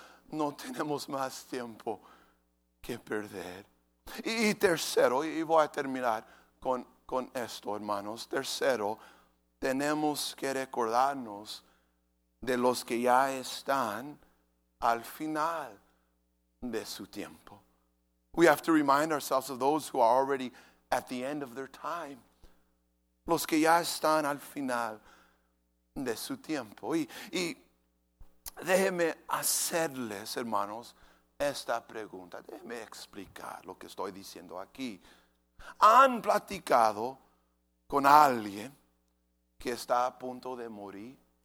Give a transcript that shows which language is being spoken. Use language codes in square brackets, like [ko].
[es] No tenemos más tiempo que perder. Y tercero, y voy a terminar con esto, hermanos. Tercero, tenemos que recordarnos de los que ya están al final de su tiempo. [en] We have to remind ourselves of those who are already at the end of their time. [es] Los que ya están al final de su tiempo. Y déjeme hacerles, hermanos, esta pregunta. Déjeme explicar lo que estoy diciendo aquí. ¿Han platicado con alguien que está a punto de morir?